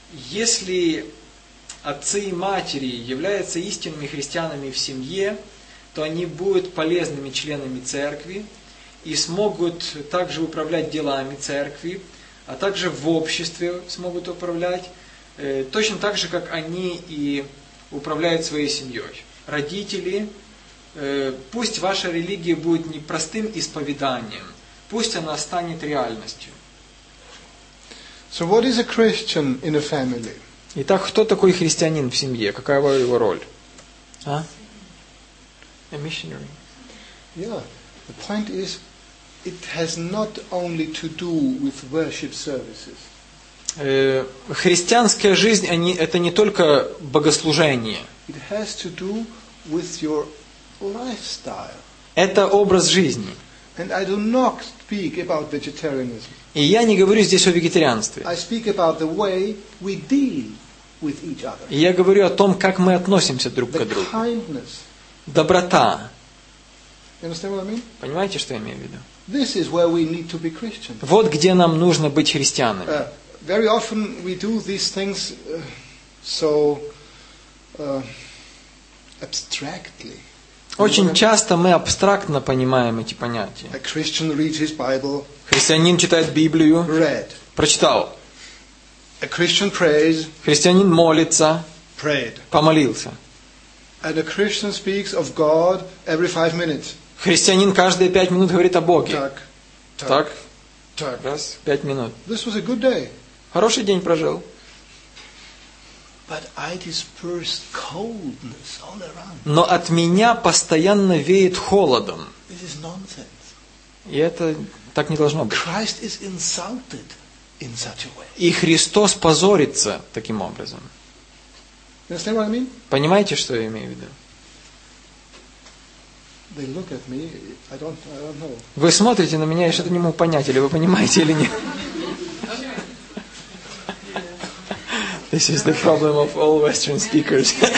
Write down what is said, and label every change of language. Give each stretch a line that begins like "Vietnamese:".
Russian: Если отцы и матери являются истинными христианами в семье, то они будут полезными членами церкви и смогут также управлять делами церкви, а также в обществе смогут управлять, точно так же, как они и управляют своей семьей. Родители, пусть ваша религия будет не простым исповеданием, пусть она станет реальностью.
English: So what is a Christian in a family?
Russian: Итак, кто такой христианин в семье? Какая его роль? А?
English: A missionary. Yeah. The point is, it has not only to do with worship services.
Russian: Христианская жизнь, это не только богослужение.
English: It has to do with your lifestyle.
Russian: Это образ жизни.
English: And I do not speak about vegetarianism.
Russian: И я не говорю здесь о вегетарианстве.
English: I speak about the way we deal with each other.
Russian: И я говорю о том, как мы относимся друг к другу.
English: Kindness.
Russian: Доброта.
English: You understand what I mean?
Russian: Понимаете, что я имею в виду?
English: This is where we need to be Christians.
Russian: Вот где нам нужно быть христианами.
English: Very often we do these things so abstractly.
Russian: Очень часто мы абстрактно понимаем эти понятия.
English: A Christian reads his Bible.
Russian: Христианин читает Библию.
English: Read.
Russian: Прочитал.
English: A Christian prays.
Russian: Христианин молится.
English: Prayed.
Russian: Помолился.
English: And a Christian speaks of God every 5 minutes.
Russian: Христианин каждые 5 минут говорит о Боге. Так. Так. Так. Раз. 5 минут.
English: This was a good day.
Russian: Хороший день прожил.
English: But I disperse coldness all around.
Russian: Но от меня постоянно веет холодом.
English: This is nonsense.
Russian: И это так не должно быть.
English: Christ is insulted. in such a way.
Russian: И Христос позорится таким образом.
English: You understand what I mean?
Russian: Понимаете, что я имею в виду?
English: They look at me, I don't know.
Russian: Вы смотрите на меня, я что-то не могу понять, или вы понимаете, или нет.
English: This is the problem of all Western speakers.